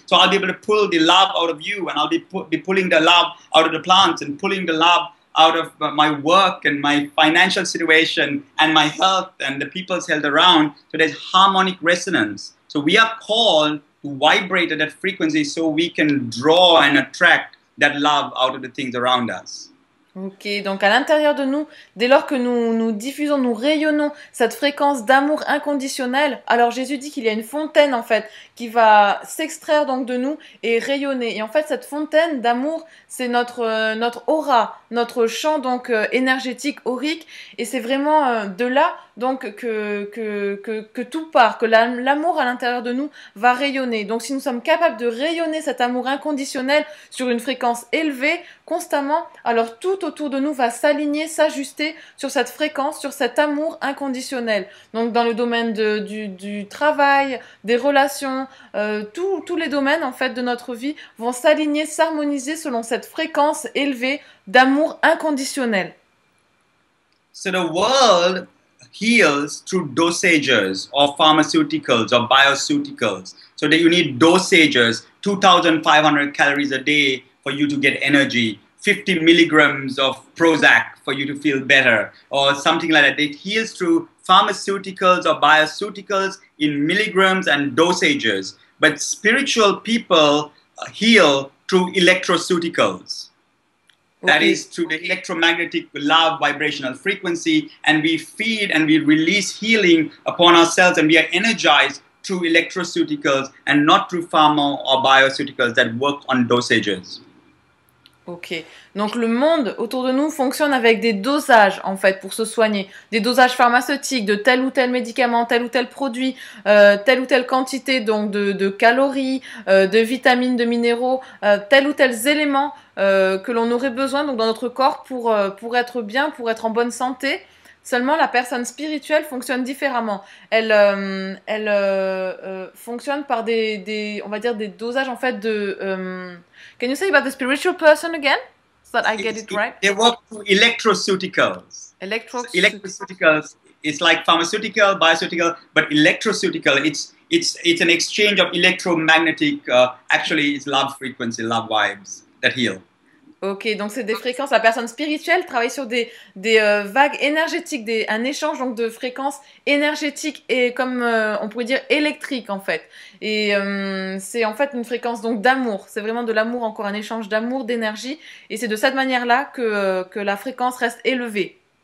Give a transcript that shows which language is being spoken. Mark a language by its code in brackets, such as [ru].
[en] So I'll be able to pull the love out of you, and I'll be pulling the love out of the plants, and pulling the love out of my work and my financial situation and my health and the people's health around. So there's harmonic resonance. So we are called to vibrate at that frequency so we can draw and attract that love out of the things around us. [fr] Ok, donc à l'intérieur de nous, dès lors que nous diffusons, nous rayonnons cette fréquence d'amour inconditionnel, alors Jésus dit qu'il y a une fontaine en fait qui va s'extraire donc de nous et rayonner. Et en fait, cette fontaine d'amour, c'est notre aura, notre champ donc énergétique, aurique, et c'est vraiment de là donc que tout part, que l'amour à l'intérieur de nous va rayonner. Donc si nous sommes capables de rayonner cet amour inconditionnel sur une fréquence élevée, constamment, alors tout autour de nous va s'aligner, s'ajuster sur cette fréquence, sur cet amour inconditionnel. Donc dans le domaine du travail, des relations, tous les domaines en fait de notre vie vont s'aligner, s'harmoniser selon cette fréquence élevée d'amour inconditionnel. [en] So the world heals through dosages or pharmaceuticals or bioceuticals. So that you need dosages, 2,500 calories a day for you to get energy, 50 milligrams of Prozac for you to feel better, or something like that. It heals through pharmaceuticals or bioceuticals in milligrams and dosages. But spiritual people heal through electroceuticals. That is through the electromagnetic love vibrational frequency, and we feed and we release healing upon ourselves, and we are energized through electroceuticals and not through pharma or bioceuticals that work on dosages. [fr] Ok, donc le monde autour de nous fonctionne avec des dosages en fait pour se soigner, des dosages pharmaceutiques de tel ou tel médicament, tel ou tel produit, telle ou telle quantité donc de calories, de vitamines, de minéraux, tels ou tels éléments que l'on aurait besoin donc dans notre corps pour être bien, pour être en bonne santé. Seulement la personne spirituelle fonctionne différemment. Elle fonctionne par des dosages en fait de [en] Can you say about the spiritual person again? So that I get it right. They work through electroceuticals. Electroceuticals is like pharmaceutical, bioceutical, but electroceutical it's an exchange of electromagnetic actually it's love frequency, love vibes that heal. [fr] Ok, donc c'est des fréquences. La personne spirituelle travaille sur des vagues énergétiques, un échange donc de fréquences énergétiques et comme on pourrait dire électriques en fait. Et c'est en fait une fréquence donc d'amour. C'est vraiment de l'amour, encore un échange d'amour, d'énergie. Et c'est de cette manière-là que la fréquence reste élevée.